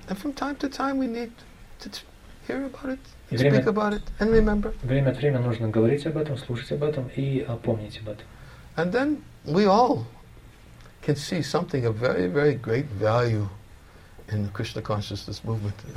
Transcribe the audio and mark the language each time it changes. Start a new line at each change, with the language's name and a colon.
English: And from time to time we need to hear about it, speak about it, and remember.
Russian: Время от времени нужно говорить об этом, слушать об этом и помнить об этом.
English: And then we all can see something of very, very great value in the Krishna consciousness movement.